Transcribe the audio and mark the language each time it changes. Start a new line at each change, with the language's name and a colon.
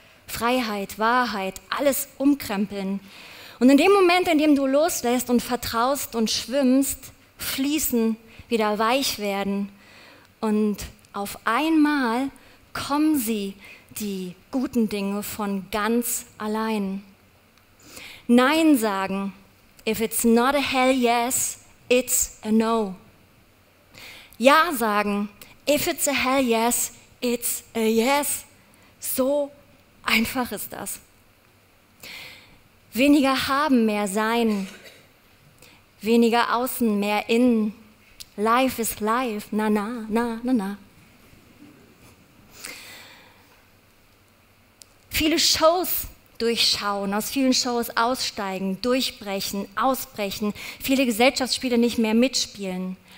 German: Freiheit, Wahrheit, alles umkrempeln. Und in dem Moment, in dem du loslässt und vertraust und schwimmst, fließen, wieder weich werden. Und auf einmal kommen sie, die guten Dinge, von ganz allein. Nein sagen,
English: if it's not a hell yes, it's a no.
German: Ja sagen,
English: if it's a hell yes, it's a yes.
German: So einfach ist das. Weniger haben, mehr sein. Weniger außen, mehr innen.
English: Life is life, na na, na na na.
German: Viele Shows durchschauen, aus vielen Shows aussteigen, durchbrechen, ausbrechen, viele Gesellschaftsspiele nicht mehr mitspielen.